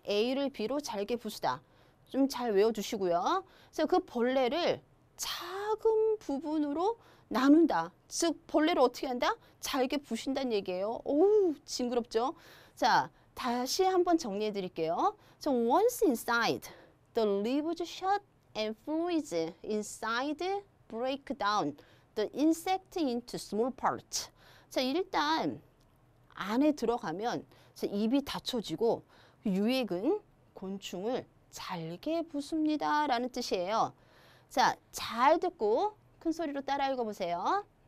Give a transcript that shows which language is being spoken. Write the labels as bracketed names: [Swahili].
[Korean] A를 B로 잘게 부수다. 좀 잘 외워주시고요. 그래서 그 벌레를 작은 부분으로 나눈다. 즉 벌레를 어떻게 한다? 잘게 부신다는 얘기예요. 오우 징그럽죠? 자 다시 한번 정리해 드릴게요. [English] So once inside, the leaves shut and fluids inside break down the insect into small parts. [Korean] 자 일단 안에 들어가면 입이 닫혀지고 유액은 곤충을 잘게 부숩니다 라는 뜻이에요. 자, 잘 듣고 큰 소리로 따라 읽어보세요.